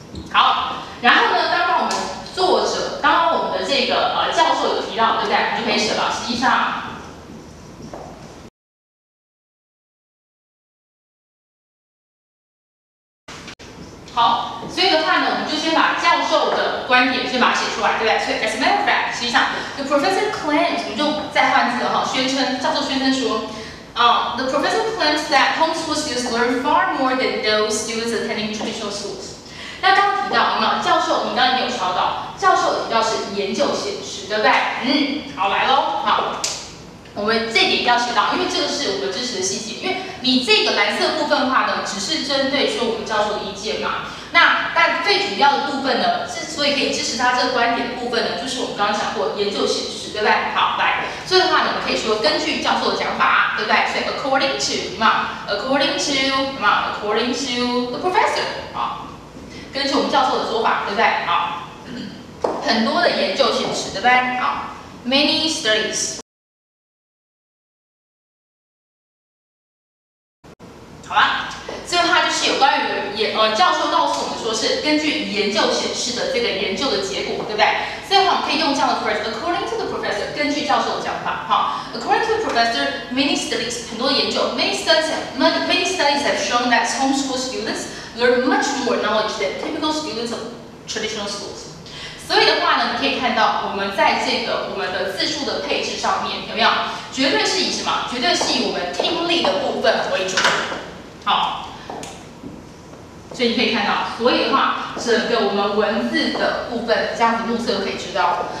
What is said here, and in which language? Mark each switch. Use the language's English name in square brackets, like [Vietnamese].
[Chinese] 好，然后呢，刚刚我们的这个教授有提到，对不对？我们就可以写了，实际上。好，所以的话呢，我们就先把教授的观点先把它写出来，对不对？所以 [English] as a matter of fact， [Chinese] 实际上 [English] the professor claims， [Chinese] 我们就再换字哈，宣称教授宣称说， [English] the professor claims that homeschool students learn far more than those students attending traditional schools。 [Chinese] 那刚提到，那教授，你刚刚也有说到，教授提到是研究显示，对不对？好，来喽，好，我们这点要写到，因为这个是我们支持的细节，因为。你这个蓝色部分的话呢，只是针对说我们教授的意见嘛。那但最主要的部分呢，之所以可以支持他这个观点的部分呢，就是我们刚刚讲过研究显示，对不对？好，来，所以的话呢，我们可以说根据教授的讲法，对不对？所以 according to 什么 ？ [English] According to [Chinese] 什么 ？ [English] According to the professor [Chinese] 啊，根据我们教授的说法，对不对？好，很多的研究显示，对不对？ [English] 好 ，many studies。 [Chinese] 好吧，所以它就是有关于教授告诉我们说是根据研究显示的这个研究的结果，对不对？所以的话，我们可以用这样的 [English] phrase， according to the professor， [Chinese] 根据教授的讲法，哈， [English] according to the professor， many studies， [Chinese] 很多研究， [English] many studies have shown that homeschool students learn much more knowledge than typical students of traditional schools。 [Chinese] 所以的话呢，你可以看到我们在这个我们的字数的配置上面有没有，绝对是以什么？绝对是以我们听力的部分为主。好，所以你可以看到，所以的话，整个我们文字的部分这样子目测可以知道。